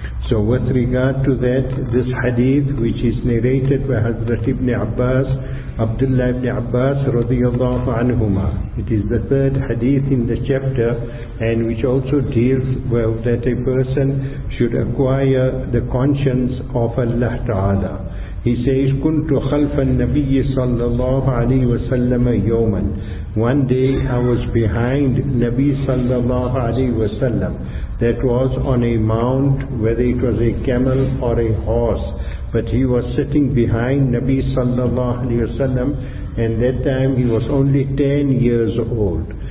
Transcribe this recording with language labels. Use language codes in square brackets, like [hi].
[en] So with regard to that, this hadith which is narrated by Hazrat Ibn Abbas, Abdullah Ibn Abbas radiyallahu anhuma. It is the third hadith in the chapter, and which also deals with that a person should acquire the conscience of Allah Ta'ala. He says, [ar] كُنْتُ خَلْفَ النَّبِيِّ صَلَّى اللَّهُ عَلَيْهِ وَسَلَّمَ يَوْمًا. [en] One day I was behind Nabi sallallahu alayhi wa sallam. That was on a mount, whether it was a camel or a horse. But he was sitting behind Nabi sallallahu alayhi wa sallam, and that time he was only 10 years old.